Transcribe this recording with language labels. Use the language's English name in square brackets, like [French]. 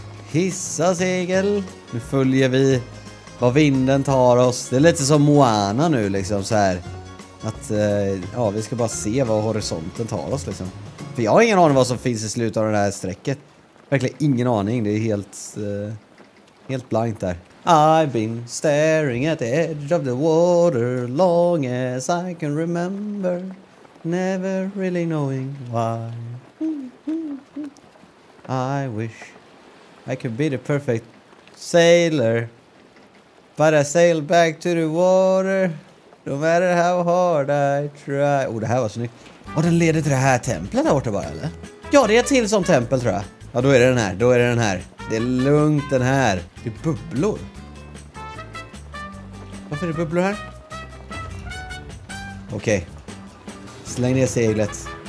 [Swedish] Hissa segel. Nu följer vi vad vinden tar oss. Det är lite som Moana nu liksom så här. Att ja, vi ska bara se vad horisonten tar oss liksom. För jag har ingen aning vad som finns i slutet av det här strecket. Verkligen ingen aning. Det är helt, helt blankt där. [English] I've been staring at the edge of the water long as I can remember, never really knowing why. I wish I could be the perfect sailor, but I sail back to the water no matter how hard I try. [Swedish] Oh, det här var snyggt. Och den leder till det här templet där borta bara, eller? Ja, det är till som tempel tror jag. Ja, då är det den här, då är det den här. Det är lugnt den här. Det är bubblor. Varför är det bubblor här? Okej. Släng ner seglet.